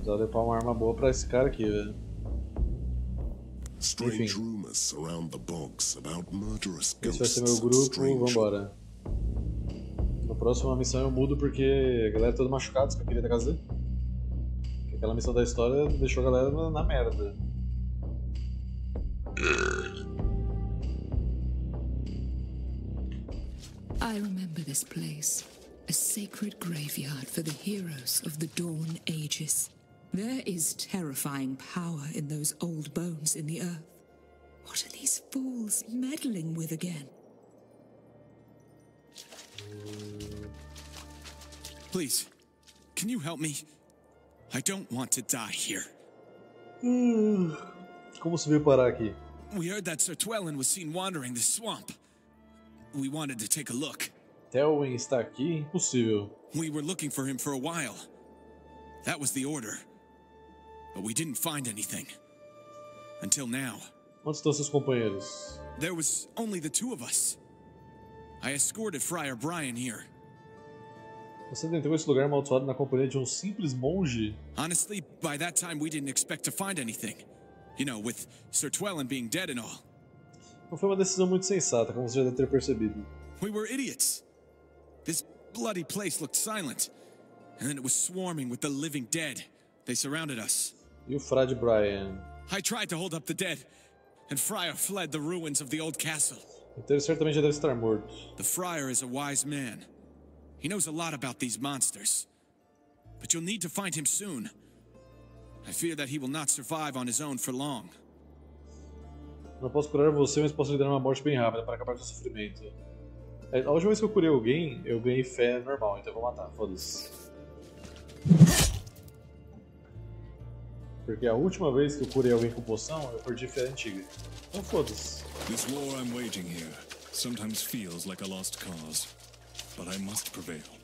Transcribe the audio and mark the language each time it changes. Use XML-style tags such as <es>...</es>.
<pt>Para uma arma boa para esse cara aqui, velho.</pt> <en>Strange rumors around the bogs about murderous ghosts.</en> <pt>Esse vai ser meu grupo, vambora. Na próxima missão eu mudo porque a galera é toda machucada, que eu queria da casa dele. Aquela missão da história deixou a galera na merda.</pt> <en>I remember this place, a sacred graveyard for the heroes of the dawn ages. There is terrifying power in those old bones in the earth. What are these fools meddling with again? Please, can you help me? I don't want to die here.</en> <pt>Como você veio parar aqui?</pt> <en>We heard that Sir Twelin was seen wandering the swamp. We wanted to take a look.</en> <pt>Twelin está aqui? Impossível.</pt> <en>We were looking for him for a while. That was the order. But we didn't find anything. Until now.</en> <pt>Onde estão seus companheiros?</pt> <en>There was only the two of us. I escorted Friar Brian here.</en> <pt>Você entrou nesse lugar amaldiçoado na companhia de um simples monge?</pt> <en>Honestly, by that time we didn't expect to find anything. You know, with Sir Twelin being dead and all.</en> <pt>Não foi uma decisão muito sensata, como você já deve ter percebido.</pt> <en>We were idiots. This bloody place looked silent. And then it was swarming with the living dead. They surrounded us.</en> <pt>E o Frade Brian.</pt> <en>I tried to hold up the dead, and Friar fled the ruins of the old castle.</en> <pt>Então ele certamente já deve estar morto.</pt> <en>The Friar is a wise man. He knows a lot about these monsters. But you'll need to find him soon. I fear that he will not survive on his own for long.</en> <pt>Não posso curar você, mas posso lhe dar uma morte bem rápida para acabar com o sofrimento. A última vez que eu curei alguém, eu ganhei fé normal, então eu vou matar, foda-se. Porque a última vez que eu curei alguém com poção, eu perdi fé antiga. Então foda-se.</pt> <en>This war I'm waging here sometimes feels like a lost cause, but I must prevail.</en>